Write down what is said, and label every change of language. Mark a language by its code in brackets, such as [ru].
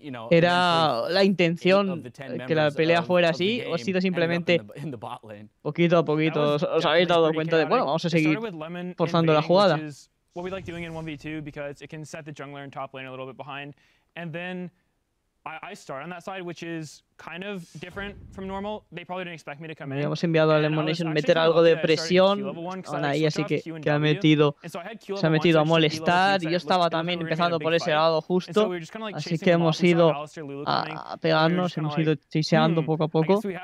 [es] ¿Era la intención que la pelea fuera así o ha sido simplemente poquito a poquito? ¿Os habéis dado cuenta de, bueno, vamos a seguir forzando la jugada? [en] What we like doing in 1v2 because it can set the jungler and top lane a little bit behind. And then I start on that side, which is kind of different from normal. They probably didn't expect me to come in. [es] Hemos enviado a Lemonation meter algo de presión. Ahí así que ha metido, se ha metido a molestar. Yo estaba también empezando por ese lado justo. Así que hemos ido a pegarnos, hemos ido chaseando poco a poco.